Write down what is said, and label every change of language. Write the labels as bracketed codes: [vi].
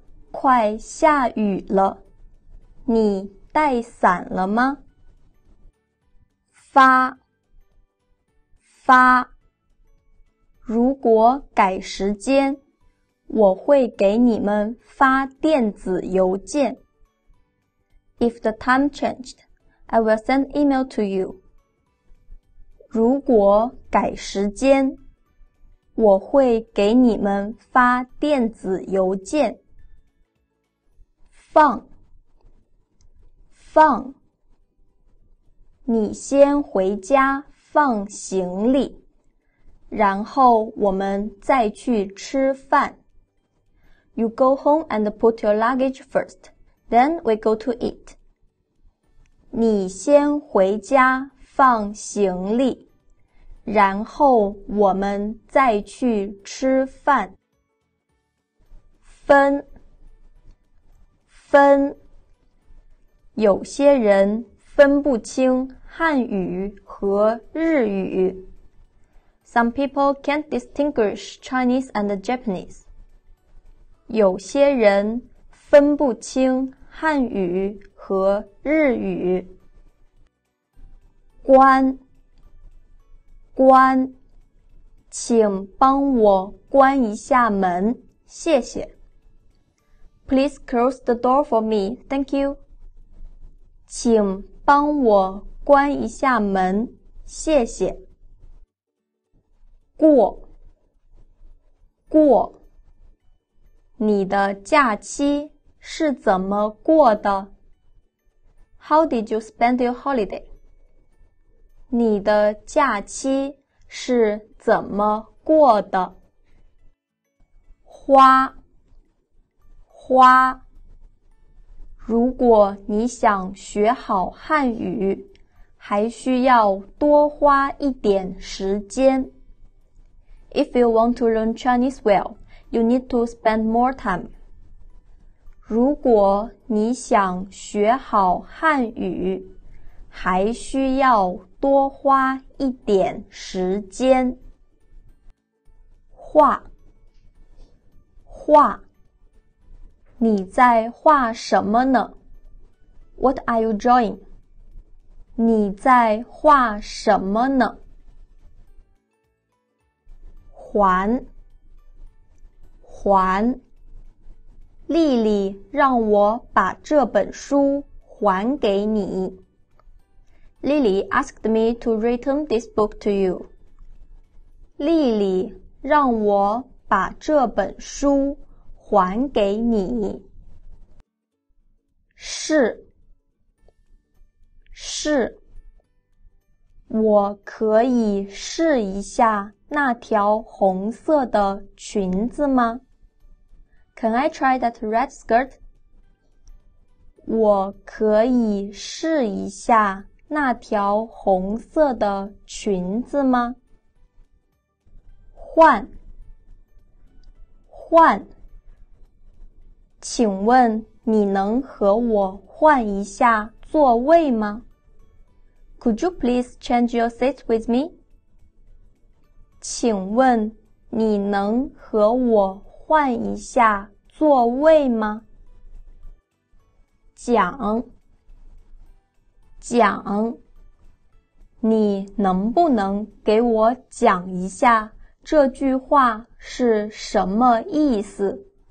[zh] 快下雨了,你带伞了吗? 发发如果改时间,我会给你们发电子邮件。 [en] If the time changed, I will send email to you. [zh] 如果改时间,我会给你们发电子邮件。放,放,你先回家放行李,然后我们再去吃饭。 [en] You go home and put your luggage first, then we go to eat. [zh] 你先回家放行李,然后我们再去吃饭。分,分,有些人分不清汉语和日语。 [en] Some people can't distinguish Chinese and Japanese. [zh] 有些人分不清汉语和日语。关关请帮我关一下门谢谢。 [en] Please close the door for me, thank you. [zh] 请帮我关一下门谢谢。过过你的假期是怎么过的? [en] How did you spend your holiday? [zh] 你的假期是怎么过的? 花花如果你想学好汉语,还需要多花一点时间。 [en] If you want to learn Chinese well,You need to spend more time. [zh] 如果你想学好汉语,还需要多花一点时间。画,画,你在画什么呢? [en] What are you drawing? [zh] 你在画什么呢? 还还莉莉让我把这本书还给你。 [en] Lily asked me to return this book to you. [zh] 莉莉让我把这本书还给你。是是我可以试一下那条红色的裙子吗? [en] Can I try that red skirt? [zh] 我可以试一下那条红色的裙子吗? 换换请问你能和我换一下座位吗? [en] Could you please change your seat with me? [zh] 请问你能和我换一下座位吗? 讲，你能不能给我讲一下这句话是什么意思?